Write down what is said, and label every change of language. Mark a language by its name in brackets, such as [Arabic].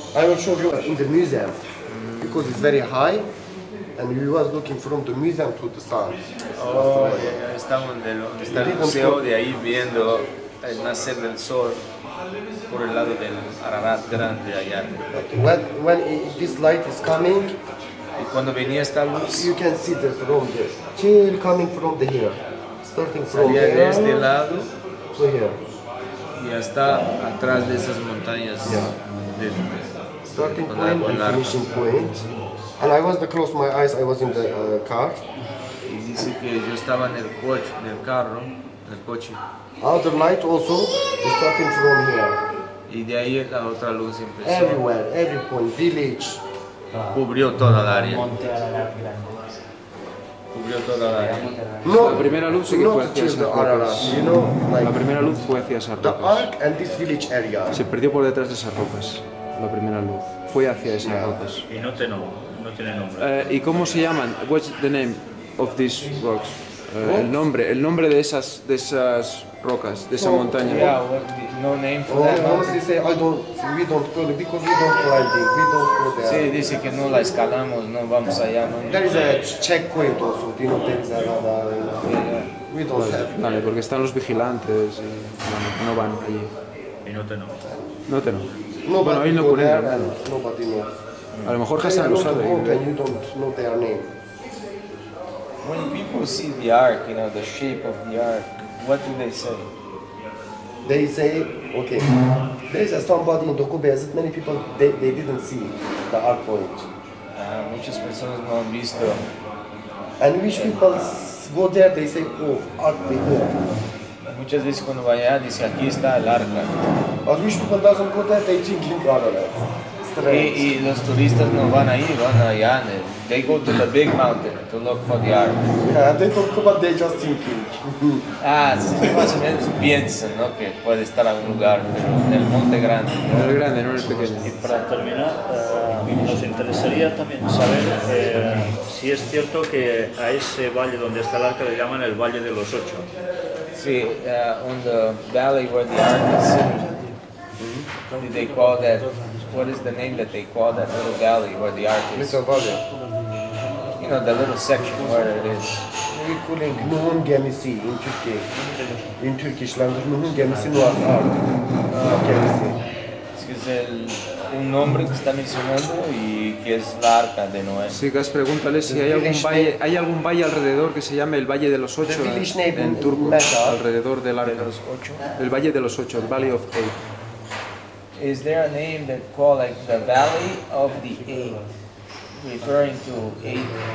[English] I will show you in the museum because it's very high and you was looking from the museum to the sun. [Spanish] Oh, estamos en el museo de ahí viendo el nacer del sol por el lado del Ararat Grande allá. [English] When this light is coming. [Spanish] Y cuando venía esta luz, [English] you can see the from here. Chill coming from the here. Starting from [Spanish] salía [English] here. [Spanish] De este lado. [English] To here. [Spanish] Y hasta atrás de esas montañas. [English] Yeah. [Spanish] De, [English] starting point and finishing point. And I was the close my eyes, I was in the car. [Spanish] Y dice que yo estaba en el coche, en el carro, en el coche. [English] Other light also starting from here. [Spanish] Y de ahí la otra luz empezó. [English] Everywhere, every point, village. [Spanish] Cubrió toda el área. Cubrió toda el área. No, la primera luz sí que fue hacia esas rocas. [English] You know, like [Spanish] la primera luz fue hacia esas rocas. [English] The arc and this village area. [Spanish] Se perdió por detrás de esas rocas. La primera luz fue hacia esas rocas. Y no tiene nombre. ¿Y cómo se llaman? [English] What's the name of these rocks? [Spanish] El nombre de esas rocas, de esa montaña. [English] Yeah, no name for that. Honestly, say we don't go because we don't climb it. We don't go there. [Spanish] Sí, dice que no la escalamos, no vamos allá. No. [English] There is a checkpoint also, you know, there is a lot of. Yeah. We don't have. [Spanish] Vale, porque están los vigilantes y bueno, no van allí. Y no te no. No te no. [English] Nobody [Spanish] bueno, ahí no ponen. [English] Nobody knows. [Spanish] A lo mejor Hassan lo sabe. [English] You don't know their name. When people see the ark, you know, the shape of the ark, what do they say? They say, okay, there is somebody in Tokube, as many people, they didn't see the ark point. [Spanish] Muchas personas no han visto. [English] And which people go there, they say, oh, ark they go. [Spanish] Muchas veces cuando vaya, dice, aquí está el ark. [English] But which people doesn't go there, they think in Ararat. [Spanish] Y los turistas no van ahí, van allá. [English] They go to the big mountain to look for the ark. Yeah, they talk about they just thinking. [Spanish] Ah, sí, más o menos piensan, ¿no? Que puede estar en algún lugar, pero en el monte grande. En el grande, no en el pequeño. Y para terminar, nos interesaría también saber si es cierto que a ese valle donde está el arca le llaman el Valle de los Ocho. [English] Sí, on the valley where the ark is centered. Mm-hmm. Did they call that? What is the name that they call that little valley where the ark is? Little valley. You know, the little section where it is. We call it Nuhun Gemisi in Turkey. In Turkish language, Nuhun Gemisi no has ark. Gemisi. [Spanish] Es el un nombre que está mencionando y que es la arca de Noé. Sí, Gas, pregúntale si hay algún valle, hay algún valle alrededor que se llame el Valle de los Ocho en turco, alrededor del arca. De los Ocho. El Valle de los Ocho, el [English] Valley of Eight. Is there a name that call like the Valley of the Eight, referring to eight?